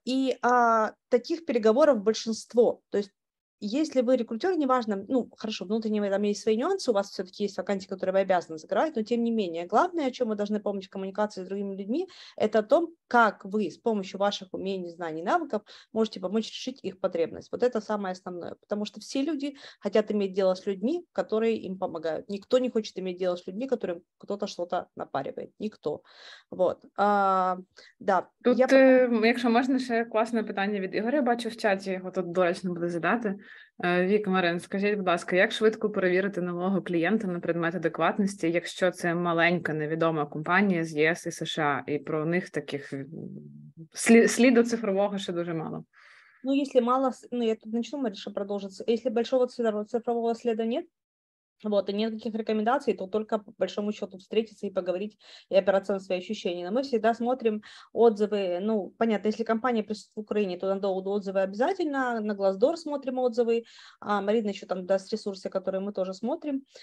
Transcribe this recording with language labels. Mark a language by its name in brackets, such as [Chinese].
[Russian] И таких переговоров большинство. То есть если вы рекрутер, неважно, ну, хорошо, внутренние там есть свои нюансы, у вас все-таки есть вакансии, которые вы обязаны закрывать, но тем не менее, главное, о чем вы должны помнить в коммуникации с другими людьми, это о том, как вы с помощью ваших умений, знаний, навыков можете помочь решить их потребность. Вот это самое основное, потому что все люди хотят иметь дело с людьми, которые им помогают. Никто не хочет иметь дело с людьми, которым кто-то что-то напаривает. Никто. Вот. Да. [Ukrainian] Тут, якщо можна, ще класне питання від Ігоря, я бачу в чаті, його тут доречно буде задати. Вік, Марин, скажіть, будь ласка, як швидко перевірити нового клієнта на предмет адекватності, якщо це маленька невідома компанія з ЄС і США, і про них таких сліду цифрового ще дуже мало? Ну, якщо мало, ну, я тут почну, Маріша, продовжиться. Якщо великого цифрового сліду немає, [Russian] вот, и нет никаких рекомендаций, то только по большому счету встретиться и поговорить и опираться на свои ощущения. Но мы всегда смотрим отзывы, ну, понятно, если компания присутствует в Украине, то надо отзывы обязательно, на Glassdoor смотрим отзывы, а Марина еще там даст ресурсы, которые мы тоже смотрим.